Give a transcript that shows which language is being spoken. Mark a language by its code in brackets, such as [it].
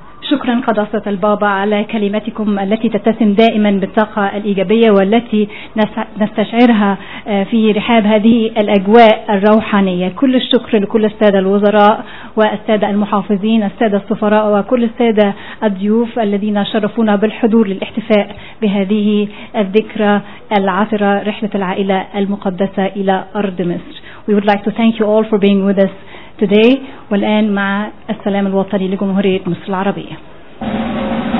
[ar] شكرا قداسة البابا على كلمتكم التي تتسم دائما بالطاقة الإيجابية، والتي نستشعرها في رحاب هذه الأجواء الروحانية. كل الشكر لكل السادة الوزراء والسادة المحافظين، السادة السفراء، وكل السادة الضيوف الذين شرفونا بالحضور للاحتفاء بهذه الذكرى العثرة، رحلة العائلة المقدسة إلى أرض مصر. [en] We would like to thank you all for being with us today. [ar] والآن مع السلام الوطني لجمهورية مصر العربية.